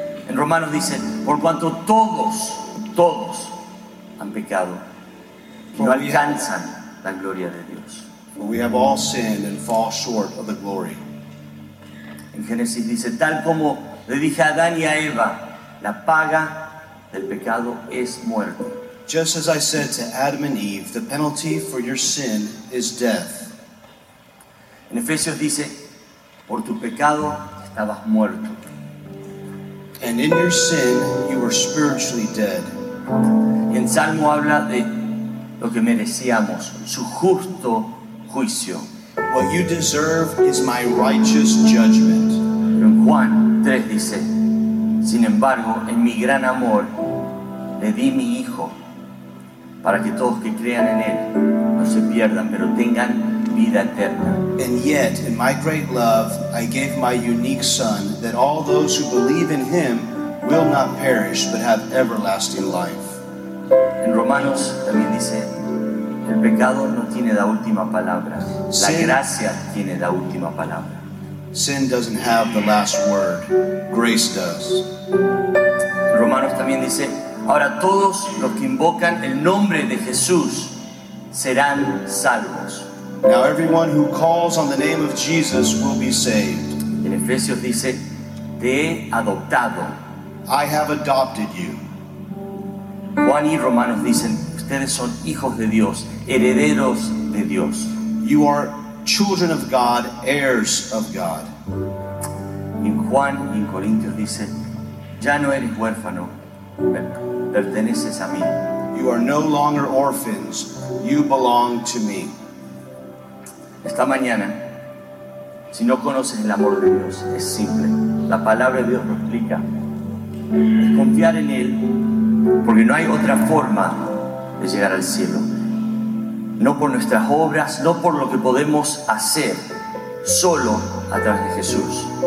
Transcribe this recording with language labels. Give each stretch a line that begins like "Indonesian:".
Spanish: En Romanos dice, por cuanto todos han pecado, no alcanzan la gloria de Dios.
English: For we have all sinned and fall short of the glory.
Spanish: En Génesis dice, tal como le dije a Adán y a Eva, la paga del pecado es muerte.
English: Just as I said to Adam and Eve, the penalty for your sin is death.
Spanish: En Efesios dice, por tu pecado estabas muerto.
English: And in your sin, you were spiritually dead.
Spanish: Y en Salmo habla de lo que merecíamos, su justo juicio.
English: What you deserve is my righteous judgment.
Spanish: Pero en Juan 3 dice, sin embargo, en mi gran amor, le di mi Hijo para que todos que crean en Él no se pierdan, pero tengan vida eterna.
English: And yet, in my great love, I gave my unique Son, that all those who believe in Him will not perish, but have everlasting life.
Spanish: En Romanos también dice, el pecado no tiene la última palabra, la gracia tiene la última palabra.
English: Sin doesn't have the last word, grace does.
Spanish: En Romanos también dice, ahora todos los que invocan el nombre de Jesús serán salvos.
English: Now everyone who calls on the name of Jesus will be saved.
Spanish: En Efesios dice, te he adoptado.
English: I have adopted you.
Spanish: Juan y Romanos dicen, ustedes son hijos de Dios, herederos de Dios.
English: You are children of God, heirs of God.
Spanish: Y en Juan y en Corintios dice, ya no eres huérfano, perteneces a mí.
English: You are no longer orphans, you belong to me.
Spanish: Esta mañana, si no conoces el amor de Dios, es simple. La palabra de Dios lo explica. Es confiar en Él, porque no hay otra forma de llegar al cielo. No por nuestras obras, no por lo que podemos hacer, solo a través de Jesús.